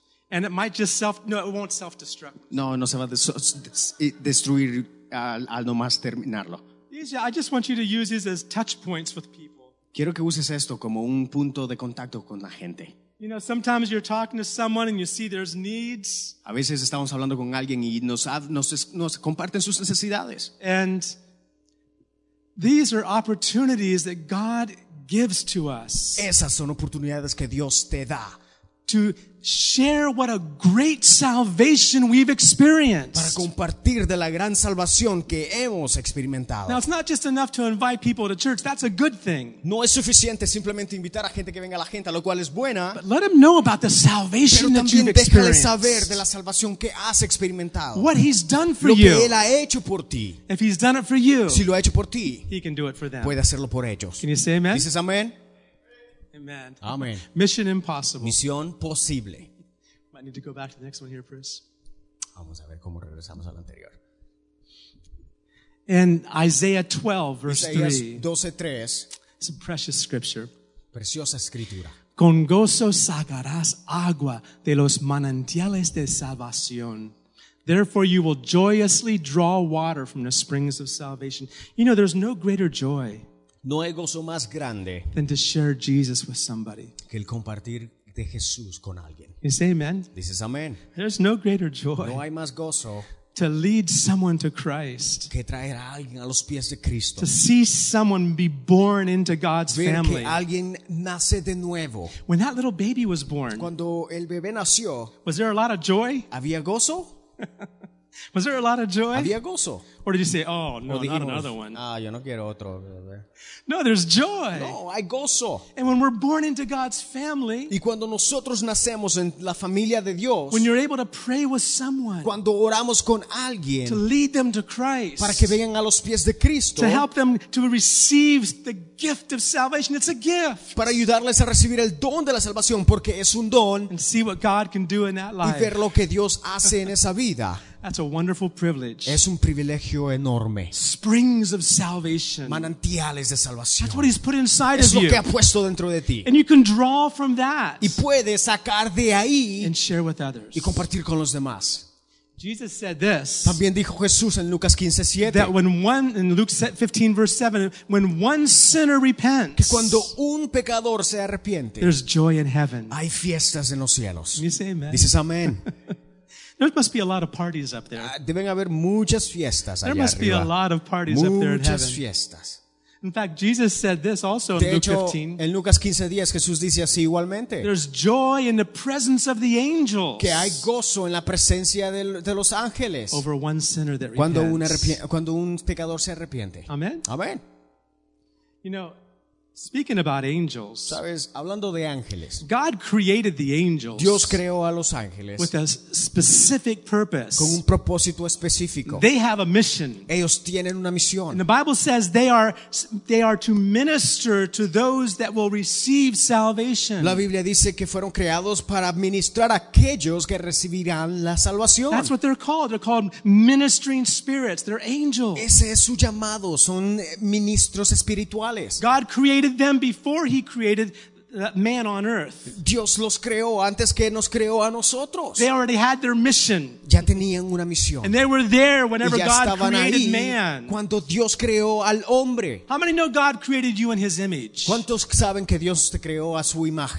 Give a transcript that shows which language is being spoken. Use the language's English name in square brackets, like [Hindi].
[English] And it might just self, no, it won't self-destruct. [Spanish] No, no se va a destruir al nomás terminarlo. [English] I just want you to use these as touch points with people. [Spanish] Quiero que uses esto como un punto de contacto con la gente. [English] You know, sometimes you're talking to someone and you see there's needs. [Spanish] A veces estamos hablando con alguien y nos comparten sus necesidades. [English] And these are opportunities that God gives to us. [Spanish] Esas son oportunidades que Dios te da. [English] To share what a great salvation we've experienced. [Spanish] Para compartir de la gran salvación que hemos experimentado. [English] Now it's not just enough to invite people to church. That's a good thing. [Spanish] No es suficiente simplemente invitar a gente que venga a la gente, lo cual es buena. [English] But let them know about the salvation [Spanish] pero [English] that you've experienced. [Spanish] Pero también déjale saber de la salvación que has experimentado. [English] What he's done for [Spanish] lo [English] you. [Spanish] Lo que él ha hecho por ti. [English] If he's done it for you. [Spanish] Si lo ha hecho por ti. [English] He can do it for them. [Spanish] Puede hacerlo por ellos. [English] Can you say amen? [Spanish] Dices amén. [English] Amen. [Spanish] Amen. [English] Mission impossible. [Spanish] Misión posible. [English] Might need to go back to the next one here, Chris. [Spanish] Vamos a ver cómo regresamos al anterior. [English] In Isaiah 12, verse 3. [Spanish] Isaías 12:3. [English] It's a precious scripture. [Spanish] Preciosa escritura. Con gozo sacarás agua de los manantiales de salvación. [English] Therefore, you will joyously draw water from the springs of salvation. You know, there's no greater joy. [Spanish] No hay gozo más grande. [English] Than to share Jesus with somebody. [Spanish] Que el compartir de Jesús con alguien. [English] You say amen. [Spanish] Dices amén. [English] There's no greater joy. [Spanish] No hay más gozo. [English] To lead someone to Christ. [Spanish] Que traer a alguien a los pies de Cristo. [English] To see someone be born into God's [Spanish] ver [English] family. [Spanish] Que alguien nace de nuevo. [English] When that little baby was born. [Spanish] Cuando el bebé nació. [English] Was there a lot of joy? [Spanish] Había gozo. [English] Was there a lot of joy? [Spanish] Había gozo. [English] Or did you say, oh, no, [Spanish] dijimos, [English] not another one. [Spanish] Ah, yo no quiero otro. [English] No, there's joy. [Spanish] No, hay gozo. [English] And when we're born into God's family, [Spanish] y cuando nosotros nacemos en la familia de Dios, [English] when you're able to pray with someone, [Spanish] cuando oramos con alguien, [English] to lead them to Christ, [Spanish] para que vengan a los pies de Cristo, [English] to help them to receive the gift of salvation, it's a gift. [Spanish] Para ayudarles a recibir el don de la salvación, porque es un don, [English] and see what God can do in that life. [Spanish] Y ver lo que Dios hace en esa vida. [English] That's a wonderful privilege. [Spanish] Es un privilegio enorme. [English] Springs of salvation. [Spanish] Manantiales de salvación. [English] That's what he's put inside [Spanish] es [English] of you. [Spanish] Es lo que ha puesto dentro de ti. [English] And you can draw from that. [Spanish] Y puedes sacar de ahí. [English] And share with others. [Spanish] Y compartir con los demás. [English] Jesus said this. [Spanish] También dijo Jesús en Lucas 15:7. [English] That when one, in Luke 15:7, when one sinner repents. [Spanish] Que cuando un pecador se arrepiente. [English] There's joy in heaven. [Spanish] Hay fiestas en los cielos. [English] You say amen. [Spanish] Dices amén. [English] There must be a lot of parties up there. [Spanish] Deben haber muchas fiestas allá [English] there must [Spanish] arriba. [English] Be a lot of parties [Spanish] muchas [English] up there in heaven. [Spanish] Fiestas. [English] In fact, Jesus said this also [Spanish] de [English] in [Spanish] hecho, [English] Luke 15. [Spanish] En Lucas 15:10, Jesús dice así igualmente. [English] There's joy in the presence of the angels. [Spanish] Que hay gozo en la presencia de los ángeles. [English] Over one sinner that [Spanish] cuando [English] repents. [Spanish] Cuando un pecador se arrepiente. [English] Amen. [Spanish] Amen. [English] You know, speaking about angels, [Spanish] sabes, hablando de ángeles, [English] God created the angels. [Spanish] Dios creó a los ángeles [English] with a specific purpose. [Spanish] Con un propósito específico. [English] They have a mission. [Spanish] Ellos tienen una misión. [English] And the Bible says they are to minister to those that will receive salvation. [Spanish] La Biblia dice que fueron creados para administrar a aquellos que recibirán la salvación. [English] That's what they're called. They're called ministering spirits. They're angels. [Spanish] Ese es su llamado. Son ministros espirituales. [English] God created them before he created man on earth. [Spanish] Dios los creó antes que nos creó a nosotros. [English] They already had their mission. [Spanish] Ya tenían una misión. [English] And they were there whenever God created man. [Spanish] Cuando Dios creó al hombre. [English] How many know God created you in his image? [Spanish] ¿Cuántos saben que Dios te creó a su imagen?